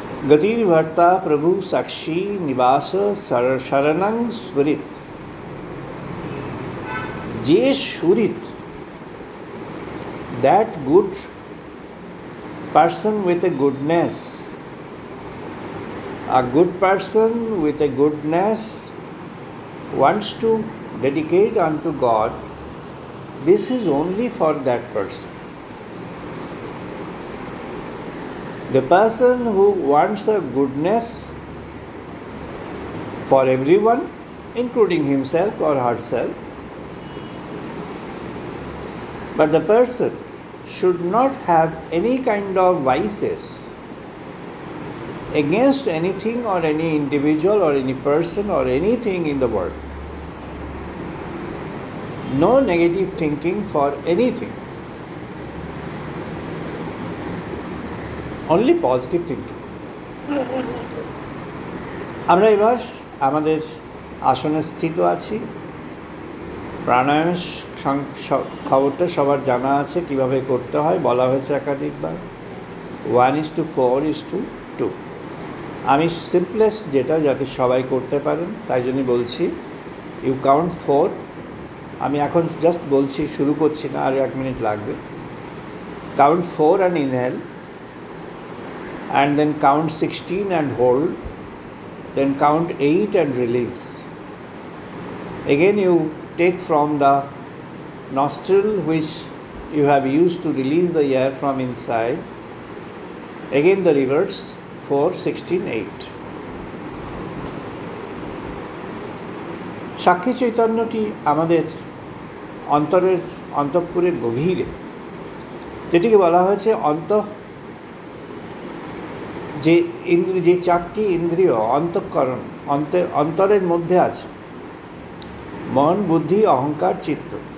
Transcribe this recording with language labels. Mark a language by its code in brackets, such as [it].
[sa] গতির্ভর্তা প্রভু সাক্ষী নিবাস শরণং সুহৃত, [en] যে সুহৃত that good person with a goodness, a good person with a goodness wants to dedicate on to God, this is only for that person. The person who wants a goodness for everyone, including himself or herself, but the person should not have any kind of vices against anything or any individual or any person or anything in the world. No negative thinking for anything. Only positive thinking. [bn] আমরা এবার আমাদের আসনে স্থিত আছি, প্রাণায়ামের খবরটা সবার জানা আছে কীভাবে করতে হয়, বলা হয়েছে একাধিকবার, 1:4:2। আমি সিম্পলেস্ট যেটা যাতে সবাই করতে পারেন তাই জন্যই বলছি, [en] You count four. [bn] আমি এখন জাস্ট বলছি, শুরু করছি না, আর এক মিনিট লাগবে। [en] Count four and inhale, and then count 16 and hold, then count 8 and release. Again you take from the nostril which you have used to release the air from inside, again the reverse, 4, 16, 8. [bn] Sakhi chaitanya ti amader antarer antapurer gobhire jeti ke bola hoyeche antah, যে ইন্দ্রিয়, যে চারটি ইন্দ্রিয় অন্তঃকরণ, অন্তরের মধ্যে আছে, মন বুদ্ধি অহংকার চিত্ত।